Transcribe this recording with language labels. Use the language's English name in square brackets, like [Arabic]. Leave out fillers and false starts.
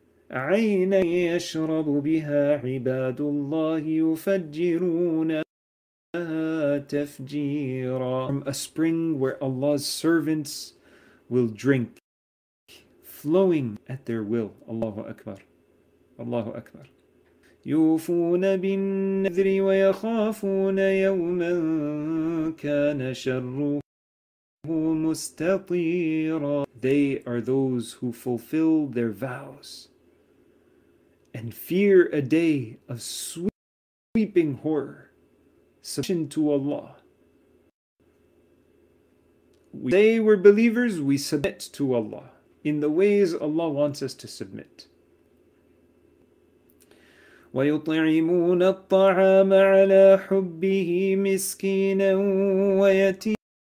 [Arabic] عَيْنًا يَشْرَبُ بِهَا عِبَادُ اللَّهِ يُفَجِّرُونَ. [English] From a spring where Allah's servants will drink, flowing at their will. [Arabic] Allahu Akbar. Allahu Akbar. يوفون بالنذر ويخافون يوما كان شره مستطيرا. [English] They are those who fulfill their vows and fear a day of sweeping horror. Submission to Allah. We say we're believers, we submit to Allah in the ways Allah wants us to submit. [Arabic] ويطعمون الطعام على حبه مسكينا ويتيما